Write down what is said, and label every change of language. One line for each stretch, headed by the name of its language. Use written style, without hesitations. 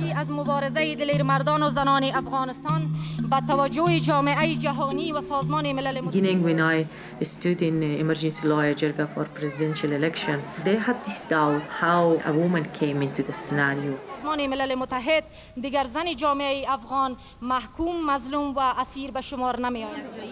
Persian: مبارزه دلیر مردان و زنان افغانستان با توجه جامعه جهانی و سازمان ملل متحد.
English: Beginning when I stood in emergency lawyer jirga for presidential election, they had this doubt how a woman came into the scenario.
Persian: سازمان ملل متحد دیگر زن جامعه افغان محکوم، مظلوم و اسیر به شمار نمی آید.